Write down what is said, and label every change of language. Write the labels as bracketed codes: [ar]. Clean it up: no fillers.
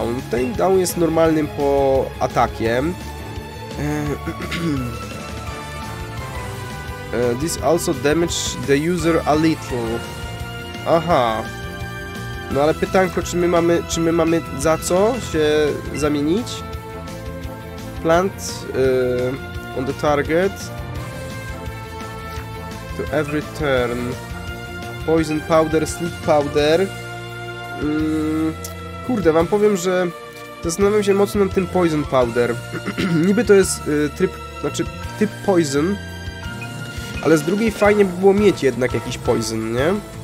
[pl] Takedown jest normalnym po atakiem. [en] This also damage the user a little. Aha. [pl] No ale pytanko, czy my mamy za co się zamienić? [en] Plant on the target to every turn. Poison powder, sleep powder. [pl] Kurde, wam powiem, że zastanawiam się mocno nad tym poison powder. Niby to jest typ poison, ale z drugiej fajnie by było mieć jednak jakiś poison, nie?